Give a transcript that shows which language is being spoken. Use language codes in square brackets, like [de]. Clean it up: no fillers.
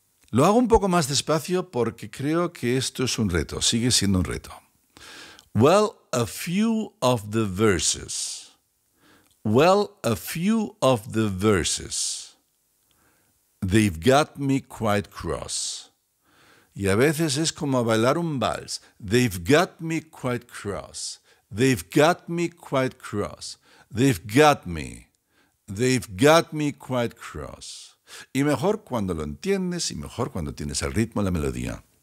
[es] Lo hago un poco más despacio porque creo que esto es un reto, sigue siendo un reto. [en] Well, a few of the verses. Well, a few of the verses. They've got me quite cross. [es] Y a veces es como bailar un vals. [en] They've got me quite cross. They've got me quite cross. They've got me. They've got me quite cross. [es] Y mejor cuando lo entiendes y mejor cuando tienes el ritmo, la melodía.